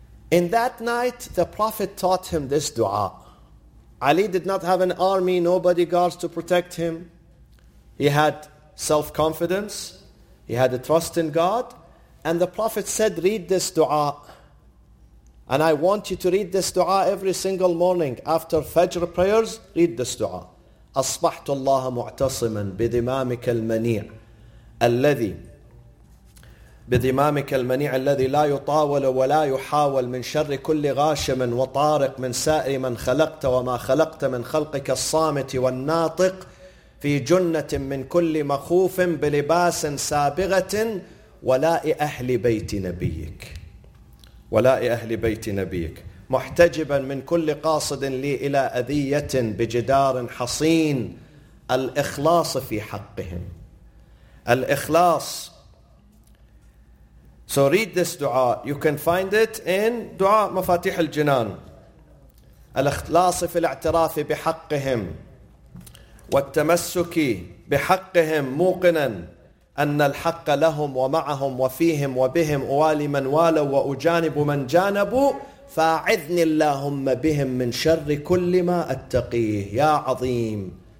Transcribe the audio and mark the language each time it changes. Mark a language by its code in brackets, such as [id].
[en] In that night, the Prophet taught him this dua. Ali did not have an army, no bodyguards to protect him. He had self-confidence. He had a trust in God. And the Prophet said, read this dua. And I want you to read this dua every single morning. After Fajr prayers, read this dua. [ar] أصبحت الله معتصما بذمامك المنيع الذي بذمامك المنيع الذي لا يطاول ولا يحاول من شر كل غاشم وطارق من سائر من خلقت وما خلقت من خلقك الصامت والناطق في جنة من كل مخوف بلباس سابغة ولاء أهل بيت نبيك ولاء أهل بيت نبيك محتجبا من كل قاصد لي إلى أذية بجدار حصين الإخلاص في حقهم الإخلاص. [en] So read this dua. You can find it in dua مفاتيح الجنان. [ar] الإخلاص في الاعتراف بحقهم والتمسك بحقهم موقنا أن الحق لهم ومعهم وفيهم وبهم أوالي من والوا وأجانب من جانبوا فَاعِذْنِ اللَّهُمَّ بِهِمْ مِنْ شَرِّ كُلِّ مَا أَتَّقِيهِ يَا عَظِيمٌ